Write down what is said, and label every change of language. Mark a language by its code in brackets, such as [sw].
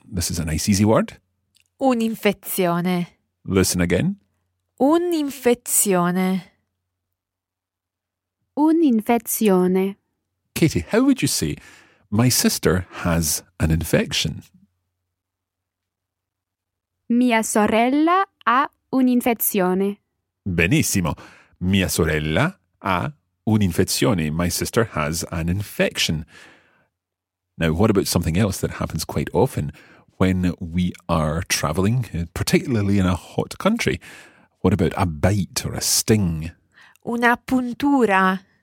[en] This is a nice easy word. [it] Un'infezione. [en] Listen again. [it] Un'infezione. Un'infezione. [en] Katie, how would you say, my sister has an infection? [it] Mia sorella ha un'infezione. Benissimo. Mia sorella ha un'infezione. [en] My sister has an infection. Now, what about something else that happens quite often when we are travelling, particularly in a hot country? What about a bite or a sting? [it] Una puntura.